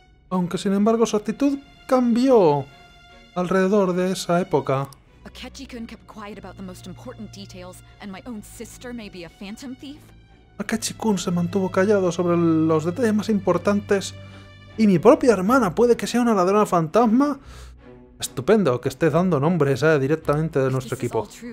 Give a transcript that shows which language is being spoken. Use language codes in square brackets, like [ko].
[es] Aunque, sin embargo, su actitud cambió alrededor de esa época. [en] Akechi-kun kept quiet about the most important details, and my own sister may be a phantom thief. [es] Akechi-kun se mantuvo callado sobre los detalles más importantes. ¿Y mi propia hermana puede que sea una ladrona fantasma? Estupendo que estés dando nombres directamente de nuestro equipo.